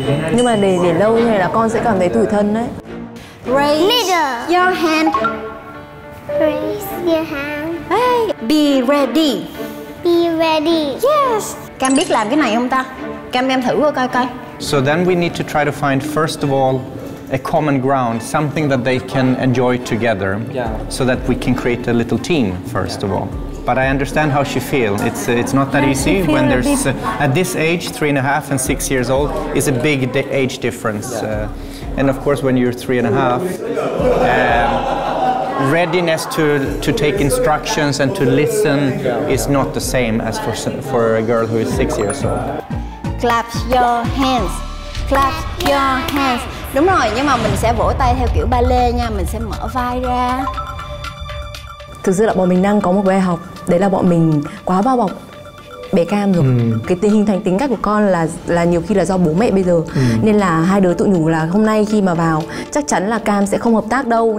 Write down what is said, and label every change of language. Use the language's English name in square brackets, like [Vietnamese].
[Vietnamese] Nhưng mà để lâu như này là con sẽ cảm thấy tủi thân đấy. [English] Raise your hand. Raise your hand. Hey, be ready. Be ready. Yes. [Vietnamese] Cam biết làm cái này không ta? Cam thử coi coi. [English] So then we need to try to find first of all a common ground, something that they can enjoy together. Yeah. So that we can create a little team first of all. But I understand how she feels. It's not that easy when there's at this age, 3.5 and 6 years old, is a big age difference. Yeah. And of course, when you're 3.5, readiness to take instructions and to listen is not the same as for a girl who is 6 years old. Clap your hands, clap your hands. [Vietnamese] Đúng rồi, nhưng mà mình sẽ vỗ tay theo kiểu ba lê nha. Mình sẽ mở vai ra. Thực sự là bọn mình đang có một bài học. Đấy là bọn mình quá bao bọc bé Cam rồi. Cái tình hình thành tính cách của con là nhiều khi là do bố mẹ bây giờ. Nên là hai đứa tự nhủ là hôm nay khi mà vào chắc chắn là Cam sẽ không hợp tác đâu.